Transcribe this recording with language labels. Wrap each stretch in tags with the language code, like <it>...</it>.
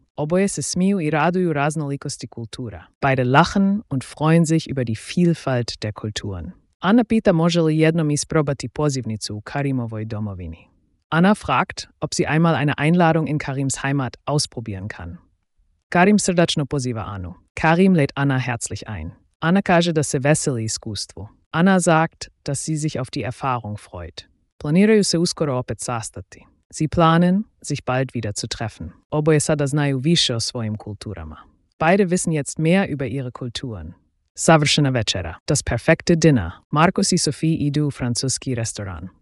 <hr>Oboje se smiju i raduju raznolikosti kultura.</hr> <de>Beide lachen und freuen sich über die Vielfalt der Kulturen.</de> <hr>Anna pita može li jednom isprobati pozivnicu u Karimovoj domovini.</hr> <de>Anna fragt, ob sie einmal eine Einladung in Karims Heimat ausprobieren kann.</de> <hr>Karim srdačno poziva Anu.</hr> <de>Karim lädt Anna herzlich ein.</de> <hr>Anna kaže da se veseli iskustvu.</hr> <de>Anna sagt, dass sie sich auf die Erfahrung freut.</de> <hr>Planiraju se uskoro opet sastati.</hr> <de>Sie planen, sich bald wieder zu treffen.</de> <hr>Oboje sada znaju više o svojim kulturama.</hr> <de>Beide wissen jetzt mehr über ihre Kulturen.</de> <hr>Savršena večera.</hr> <de>Das perfekte Dinner.</de> <hr>Markus i Sophie idu u francuski restoran.</hr>